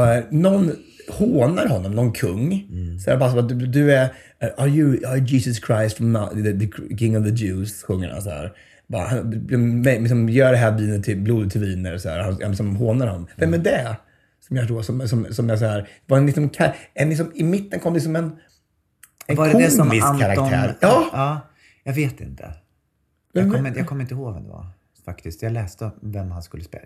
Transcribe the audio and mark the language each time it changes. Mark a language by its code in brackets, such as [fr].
[sv] någon hånar honom, någon kung. Mm. Så jag bara, du är... [en] Are you Jesus Christ from the king of the Jews? [sv] Sjunger han så här. Bara, han liksom gör det här vinet till, blodet till viner. Så här. Han liksom hånar honom. Vem är det? Som jag tror, som jag så här... Var en liksom, i mitten kom det som en... En var det det som Anton... karaktär? Ja. Ja, jag vet inte. Jag kommer inte ihåg vem det var faktiskt. Jag läste vem han skulle spela.